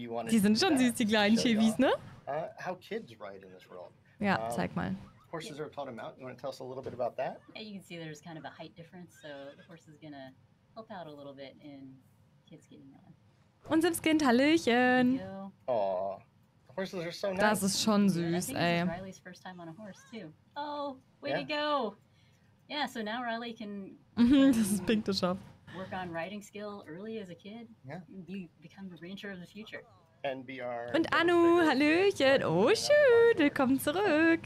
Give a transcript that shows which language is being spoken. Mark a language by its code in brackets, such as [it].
[de] Die sind schon süß, die kleinen Chevys, ne? [en] How kids ride in this world. [de] Ja, zeig mal. [en] Horses are taught to mount. You want to tell us a little bit about that? Yeah, you can see there's kind of a height difference, so the horse is gonna help out a little bit in... [de] Und Sims Kind, Hallöchen. [en] Oh, the horses are so nice. [de] Das ist schon süß, ey. [en] Yeah, Riley's first time on a horse too. Oh, way to go. Yeah, so now Riley can this is pink to shop. Work on riding skill early as a kid. Yeah. Become the rancher of the future. NBR. [de] Und Anu, Hallöchen. [en] Oh shoot, [de] willkommen zurück.